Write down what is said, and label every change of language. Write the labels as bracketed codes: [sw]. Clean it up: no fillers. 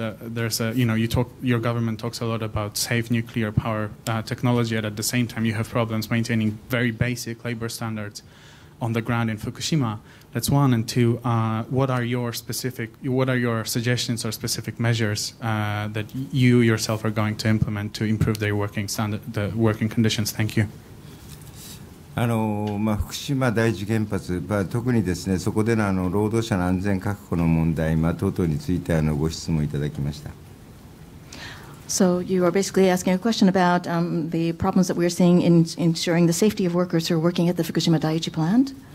[en] Your government talks a lot about safe nuclear power technology, and at the same time, you have problems maintaining very basic labor standards on the ground in Fukushima. That's one. And two, what are your suggestions or specific measures that you yourself are going to implement to improve their working standard, the working conditions? Thank you. [ja] あの、まあ、福島第一原発、まあ、特にですね、そこでの、あの、労働者の安全確保の問題、まあ、等々についてあの、ご質問いただきました。 [en] So you are basically asking a question about the problems that we are seeing in ensuring the safety of workers who are working at the Fukushima Daiichi plant?